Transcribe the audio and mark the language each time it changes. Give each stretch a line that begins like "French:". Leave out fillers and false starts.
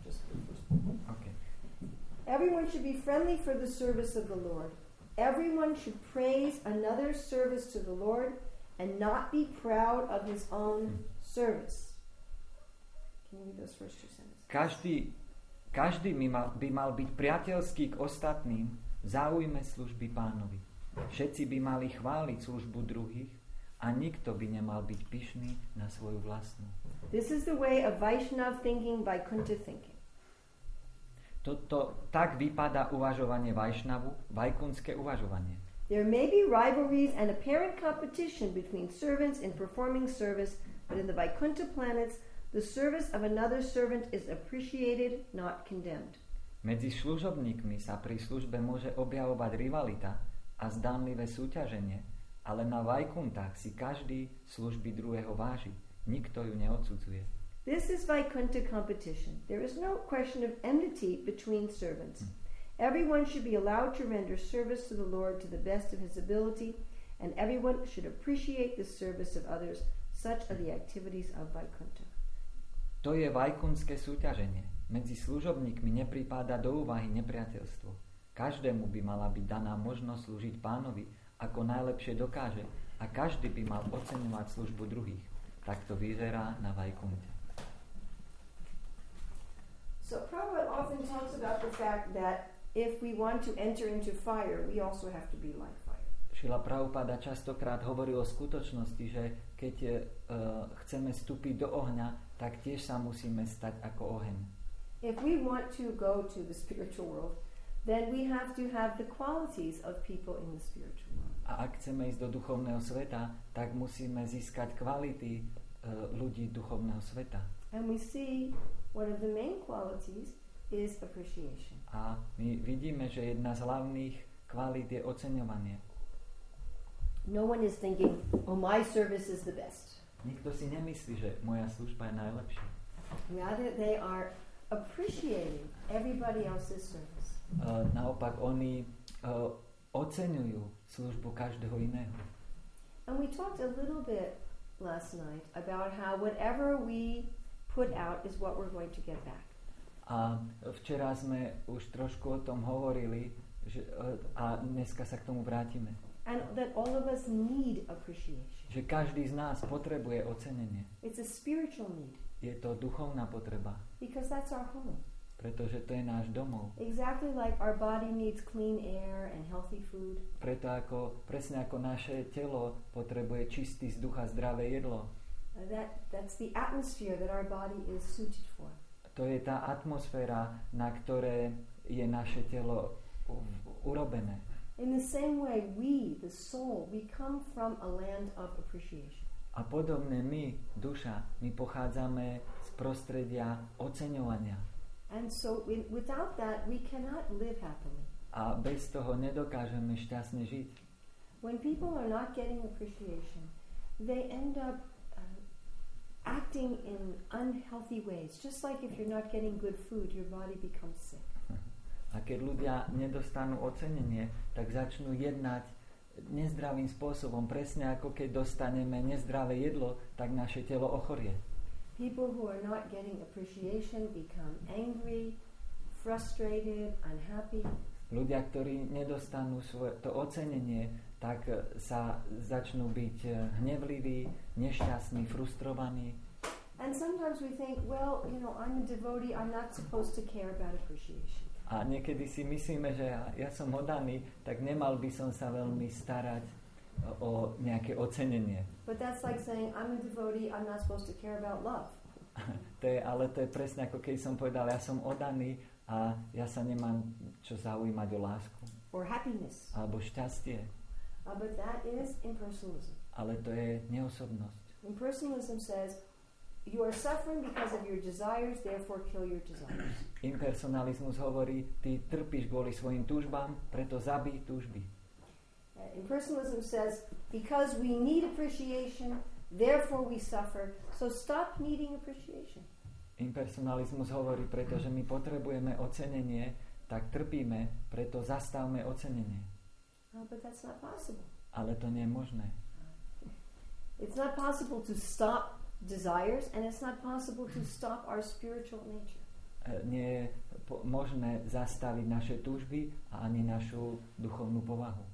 English: Just the first one. Okay. Everyone should be friendly for the service of the Lord. Everyone should praise another's service to the Lord and not be proud of his own service. Can you read those first two sentences?
Slovak: Každý by mal byť priateľský k ostatným v záujme služby Pánovi. Všetci by mali chváliť službu druhých a nikto by nemal byť pyšný na svoju vlastnú.
English: This is the way of Vaishnav thinking by Kunta thinking.
Slovak: Toto tak vypadá uvažovanie Vaishnavu, vajkunské uvažovanie.
English: There may be rivalries and apparent competition between servants in performing service, but in the Vaikunta planets the service of another servant is appreciated, not condemned.
Slovak: Medzi služobníkmi sa pri službe môže objavovať rivalita a zdánlivé súťaženie, ale na Vaikuntách si každý služby druhého váži. Nikto ju neodsudzuje.
English: This is Vaikunta competition. There is no question of enmity between servants. Everyone should be allowed to render service to the Lord to the best of his ability, and everyone should appreciate the service of others. Such are the activities of Vaikunta.
Slovak: To je vajkunské súťaženie. Medzi služobníkmi nepripáda do úvahy nepriateľstvo. Každému by mala byť daná možnosť slúžiť Pánovi, ako najlepšie dokáže, a každý by mal oceňovať službu druhých. Tak to vyzerá na Vaikunte.
English: So Prabhupada often talks about the fact that if we want to enter into fire, we also have to be like fire.
Slovak: Srila Prabhupada častokrát hovorí o skutočnosti, že keď chceme vstúpiť do ohňa, tak tiež sa musíme stať ako oheň.
English: If we want to go to the spiritual world, then we have to have the qualities of people in the spiritual world.
Slovak: A ak chceme ísť do duchovného sveta, tak musíme získať kvality ľudí duchovného sveta.
English: And we see one of the main qualities is appreciation.
Slovak: A my vidíme, že jedna z hlavných kvalít je oceňovanie.
English: No one is thinking, oh, my service is the best.
Slovak: Nikto si nemyslí, že moja služba je najlepšia.
English: Rather, they are appreciating everybody else's service.
Slovak: Naopak, oni oceňujú službu každého iného.
English: And we talked a little bit last night about how whatever we put out is what we're going to get back.
Slovak: A včera sme už trošku o tom hovorili, že, a dneska sa k tomu vrátime.
English: And that all of us need appreciation.
Slovak: Že každý z nás potrebuje ocenenie.
English: It's a spiritual need.
Slovak: Je to duchovná potreba.
English: Because that's our home.
Slovak: Pretože to je náš domov.
English: Exactly like our body needs clean air and healthy food.
Slovak: Preto ako, presne ako naše telo potrebuje čistý vzduch a zdravé jedlo.
English: That's the atmosphere that our body is suited for.
Slovak: To je tá atmosféra, na ktoré je naše telo urobené.
English: In the same way, we, the soul, we come from a land of appreciation.
Slovak: A podobne my, duša, my pochádzame z prostredia oceňovania.
English: And so without that we cannot live happily.
Slovak: A bez toho nedokážeme šťastne žiť.
English: When people are not getting appreciation, they end up acting in unhealthy ways. Just like if you're not getting good food, your body becomes sick.
Slovak: A keď ľudia nedostanú ocenenie, tak začnú jednať nezdravým spôsobom, presne ako keď dostaneme nezdravé jedlo, tak naše telo ochorie.
English: People who are not getting appreciation become angry, frustrated, unhappy.
Slovak: Ľudia, ktorí nedostanú to ocenenie, tak sa začnú byť hnevliví, nešťastní, frustrovaní.
English: And sometimes we think, well, you know, I'm a devotee, I'm not supposed to care about appreciation.
Slovak: A niekedy si myslíme, že ja som oddaný, tak nemal by som sa veľmi starať o nejaké ocenenie.
English: But that's like saying I'm a devotee, I'm not supposed to care about love.
Slovak: To je presne ako keď som povedal, ja som oddaný a ja sa nemám čo zaujímať o lásku.
English: Or happiness.
Slovak: Alebo šťastie.
English: But that is impersonalism.
Slovak: Ale to je neosobnosť.
English: Impersonalism says you are suffering because of your desires, therefore kill your desires.
Slovak: Impersonalizmus hovorí, ty trpíš kvôli svojim túžbám, preto zabij túžby.
English: Impersonalism says because we need appreciation, therefore we suffer, so stop needing appreciation.
Slovak: Impersonalizmus hovorí, pretože my potrebujeme ocenenie, tak trpíme, preto zastavme ocenenie.
English: But that's not possible.
Slovak: Ale to nie je možné.
English: It's not possible to stop desires and it's not possible to stop our spiritual nature.
Slovak: Nie je možné zastaviť naše túžby a ani našu duchovnú povahu.